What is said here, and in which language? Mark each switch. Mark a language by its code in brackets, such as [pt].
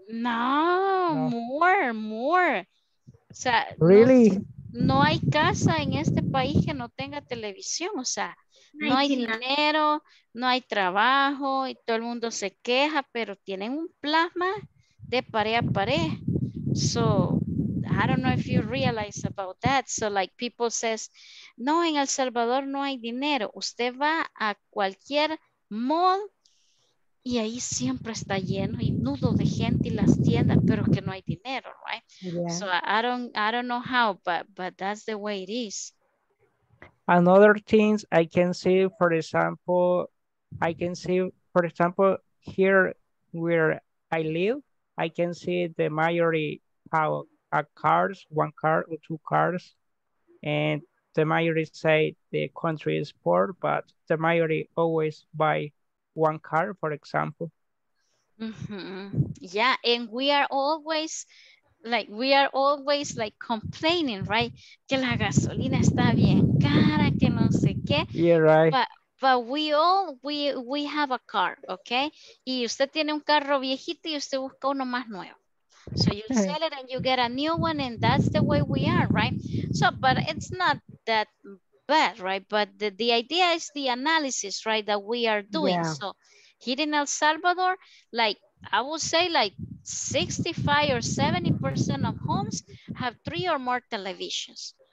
[es] No, more. O sea, [en] really? [es] No hay casa en este país que no tenga televisión, o sea, no hay dinero, no hay trabajo y todo el mundo se queja, pero tienen un plasma de pared a pared. [en] So, I don't know if you realize about that. So like people says, [es] no, en El Salvador no hay dinero. Usted va a cualquier mall y ahí siempre está lleno y nudo de gente y las tiendas, pero que no hay dinero, right? [en] Yeah. So I don't know how, but that's the way it is. Another thing I can see, for example, here where I live, I can see the majority how a cars, one car or two cars, and the majority say the country is poor, but the majority always buy one car, for example. Mm-hmm. Yeah, and we are always complaining, right? [es] Que la gasolina está bien cara, que no sé qué. [en] Yeah, right. But we have a car, okay? [es] Y usted tiene un carro viejito y usted busca uno más nuevo. [en] So you sell it and you get a new one, and that's the way we are, right? So, but it's not that bad, right? But the idea is the analysis, right, that we are doing. Yeah. So here in El Salvador, like I would say like 65 or 70% of homes have three or more televisions.